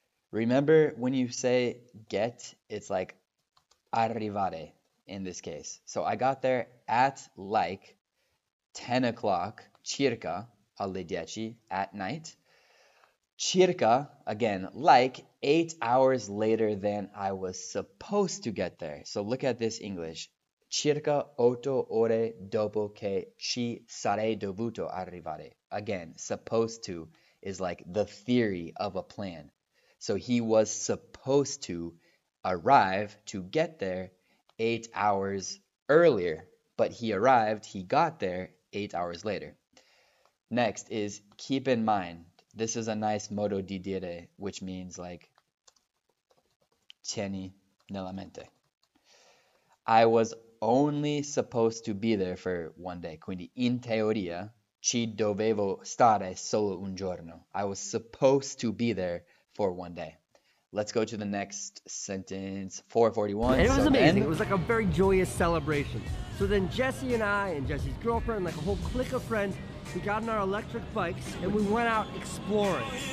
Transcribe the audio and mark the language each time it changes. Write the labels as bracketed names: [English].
[English] Remember when you say get, it's like arrivare in this case. So I got there at like 10 o'clock, [Italian] circa alle 10 [English] at night. Circa, again, like 8 hours later than I was supposed to get there. So look at this English. [Italian] Circa 8 ore dopo che ci sarei dovuto arrivare. [English] Again, supposed to is like the theory of a plan. So he was supposed to arrive to get there 8 hours earlier, but he arrived, he got there 8 hours later. Next is keep in mind. This is a nice [Italian] modo di dire, [English] which means like, [Italian] tieni nella mente. [English] I was only supposed to be there for one day. [Italian] Quindi, in teoria, ci dovevo stare solo un giorno. [English] I was supposed to be there for one day. Let's go to the next sentence, 441. And it was So amazing. It then. was like a very joyous celebration. So then Jesse and I and Jesse's girlfriend, and like a whole clique of friends, we got on our electric bikes and we went out exploring.